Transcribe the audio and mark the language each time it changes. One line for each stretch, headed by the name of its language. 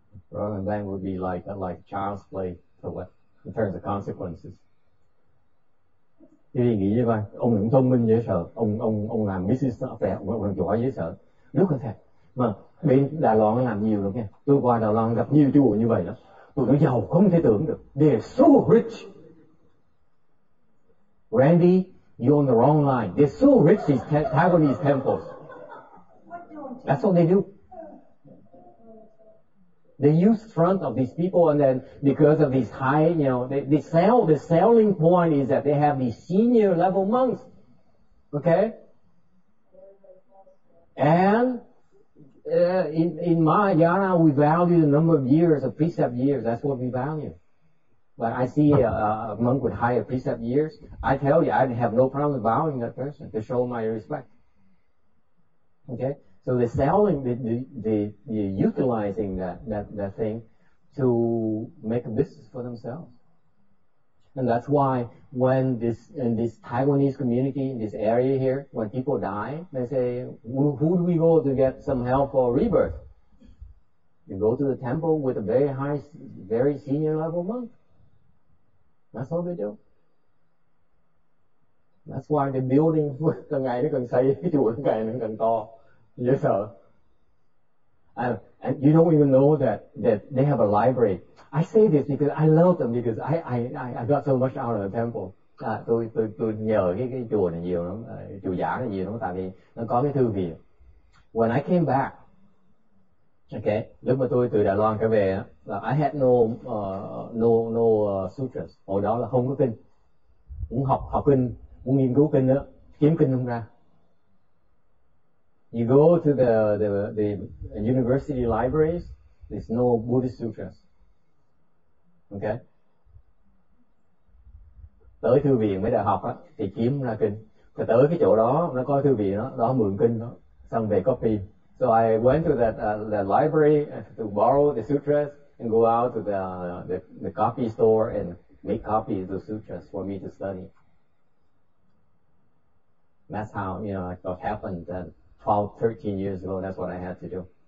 English: Rather than would be like child's play for what in terms of consequences.
Vietnamese: Quý vị nghĩ như vậy, ông cũng thông minh dễ sợ, ông làm business affair, ông còn giỏi dễ sợ. Rất có thể, mà bên Đài Loan làm nhiều lắm nha, tôi qua Đài Loan gặp nhiều chùa như vậy đó. Tụi nó giàu không thể tưởng được,
English: they are so rich. Randy, you're on the wrong line, they're so rich, these Taiwanese temples. That's what they do. They use front of these people, and then because of these high, you know, the selling point is that they have these senior level monks, okay? And in Mahayana, we value the number of years, of precept years, that's what we value. But I see a monk with higher precept years, I tell you, I'd have no problem bowing that person to show my respect, okay? So they're selling, they're utilizing that thing to make a business for themselves. And that's why when this, in this Taiwanese community, in this area here, when people die, they say, who do we go to get some help or rebirth? You go to the temple with a very high, very senior level monk. That's all they do. That's why they're building,
Vietnamese: càng ngày nó càng xây, cái chùa càng ngày nó càng to.
English: Yes, sir. And you don't even know that they have a library. I say this because I love them, because I got so much out of the temple.
Vietnamese: Tôi nhờ cái chùa này nhiều lắm, chùa giả này nhiều lắm, tại vì nó có cái thư viện.
English: When I came back, okay,
Vietnamese: lúc mà tôi từ Đài Loan trở về,
English: I had no sutras.
Vietnamese: Hồi đó là không có kinh. Muốn học kinh, muốn nghiên cứu kinh đó, kiếm kinh không ra.
English: You go to the university libraries, there's no Buddhist sutras. Okay?
Vietnamese: Tới thư viện mới đại học á, thì kiếm ra kinh. Thì tới cái chỗ đó, nó có thư viện đó mượn kinh đó, xong về copy.
English: So I went to the library to borrow the sutras and go out to the copy store and make copies of the sutras for me to study. That's how, you know, it happened then. 12, 13 years ago, that's what I had to do.